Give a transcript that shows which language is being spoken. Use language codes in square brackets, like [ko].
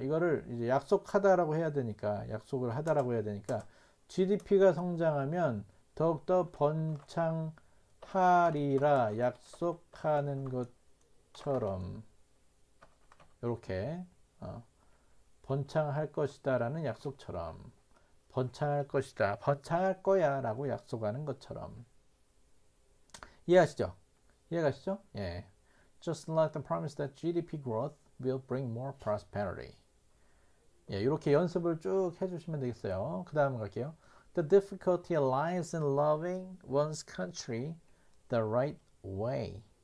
[ko] 이거를 이제 약속하다라고 해야 되니까, 약속을 하다라고 해야 되니까, GDP가 성장하면 더욱더 번창하리라 약속하는 것처럼, 요렇게, 번창할 것이다라는 약속처럼, 번창할 것이다, 번창할 거야 라고 약속하는 것처럼. 이해하시죠? 이해가시죠? 예. [en] Just like the promise that GDP growth will bring more prosperity. [ko] 예, 이렇게 연습을 쭉 해주시면 되겠어요. 그 다음 갈게요. [en] The difficulty lies in loving one's country the right way.